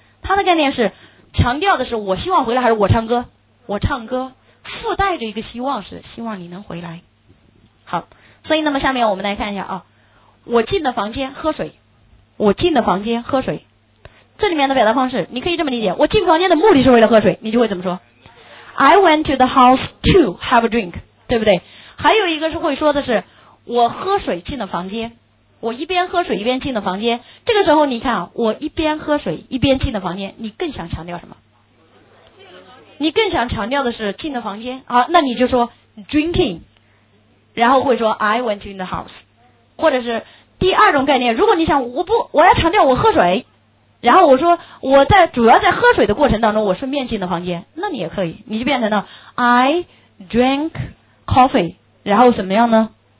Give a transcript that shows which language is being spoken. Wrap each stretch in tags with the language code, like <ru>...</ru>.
<zh>他的概念是强调的是我希望回来还是我唱歌？我唱歌，附带着一个希望是希望你能回来。好，所以那么下面我们来看一下啊，我进的房间喝水，我进的房间喝水，这里面的表达方式你可以这么理解，我进房间的目的是为了喝水，你就会怎么说？</zh> <en>I went to the house to have a drink， 对不对？</en> <zh>还有一个是会说的是我喝水进了房间，我一边喝水一边进的房间，这个时候你看啊，我一边喝水一边进的房间，你更想强调什么？你更想强调的是进的房间啊，那你就说 drinking， 然后会说</zh> <en>I went in the house，</en> <zh>或者是第二种概念，如果你想我要强调我喝水，然后我说我在主要在喝水的过程当中我顺便进的房间，那你也可以，你就变成了</zh> <en>I drank coffee，</en> <zh>然后怎么样呢？</zh>